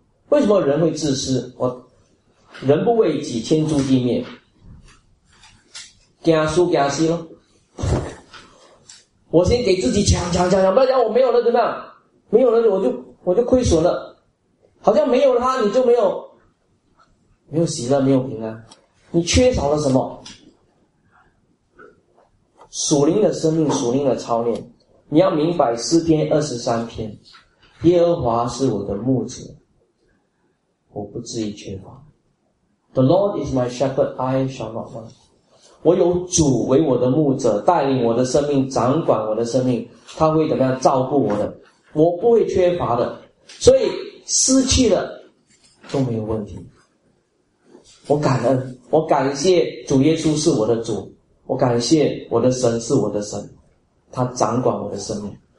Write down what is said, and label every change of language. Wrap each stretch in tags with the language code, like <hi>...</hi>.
<zh>为什么人会自私？我人不为己，天诛地灭，怕输怕死咯，我先给自己抢抢抢抢，不要讲我没有了怎么样，没有了我就亏损了，好像没有了他你就没有喜乐，没有平安，你缺少了什么？属灵的生命，属灵的操练。你要明白诗篇23篇，耶和华是我的牧者，我不至于缺乏。</zh> <en>The Lord is my shepherd, I shall not want。</en> <zh>我有主为我的牧者，带领我的生命，掌管我的生命，他会怎么样照顾我的，我不会缺乏的。所以失去了都没有问题，我感恩，我感谢主耶稣是我的主，我感谢我的神是我的神，他掌管我的生命。</zh>